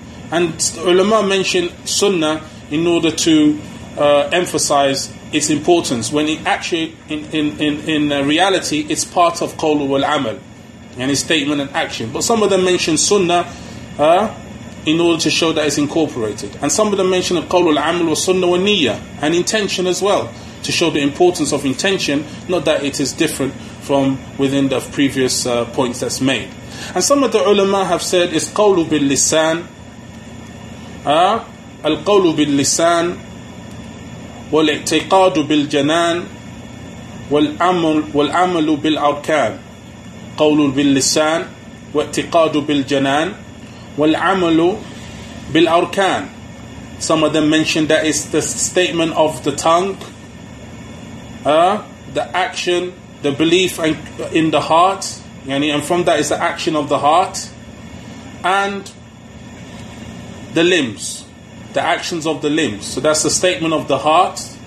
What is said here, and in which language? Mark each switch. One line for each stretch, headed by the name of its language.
English: And ulama mentioned sunnah in order to emphasize its importance, when it actually, in reality, it's part of qawl wal-amal, yani statement and action. But some of them mention sunnah in order to show that it's incorporated. And some of them mention qawl wal-amal wa sunnah wa niyyah, and intention as well, to show the importance of intention, not that it is different from within the previous points that's made. And some of the ulama have said, it's qawl bil-lisan,
Arabic: القول باللسان والاعتقاد بالجنان والعمل بالأركان قول باللسان واعتقاد بالجنان والعمل بالأركان.
English: Some of them mentioned that it's the statement of the tongue, the action, the belief in the heart, and from that is the action of the heart and the limbs. The actions of the limbs. So that's the statement of the heart.